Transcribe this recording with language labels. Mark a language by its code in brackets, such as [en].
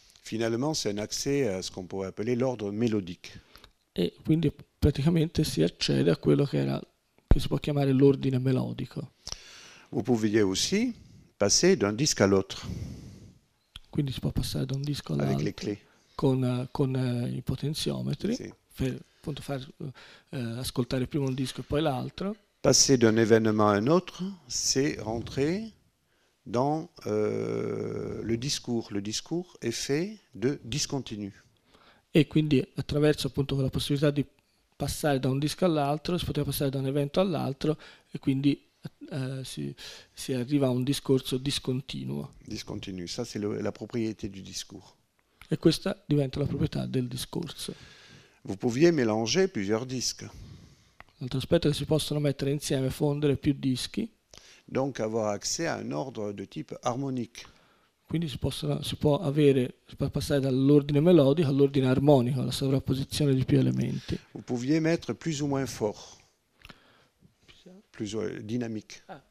[fr] Finalement, c'est un accès à ce qu'on pourrait appeler l'ordre mélodique. [it] E quindi praticamente si accede a quello che era che si può chiamare l'ordine melodico. [fr] Vous pouviez aussi passer d'un disque à l'autre. [it] Quindi si può passare da un disco all'altro. [fr] Avec les clés. [it] Con i potenziometri, sì. Per appunto far ascoltare prima un disco e poi l'altro. [fr] Passer d'un événement à un autre, c'est rentrer dans le discours. Le discours est fait de discontinu. [it] E quindi attraverso appunto la possibilità di passare da un disco all'altro, si poteva passare da un evento all'altro e quindi si arriva a un discorso discontinuo. [fr] Discontinu, ça c'est la propriété du discours. [it] E questa diventa la proprietà del discorso. [fr] Vous pouviez mélanger plusieurs disques. [it] L'altro aspetto è che si possono mettere insieme, fondere più dischi. [fr] Donc avoir accès à un ordre de type harmonique. [it] Quindi si può passare dall'ordine melodico all'ordine armonico, alla sovrapposizione di più elementi. [fr] Vous pouviez mettre plus ou moins fort, plus dynamique.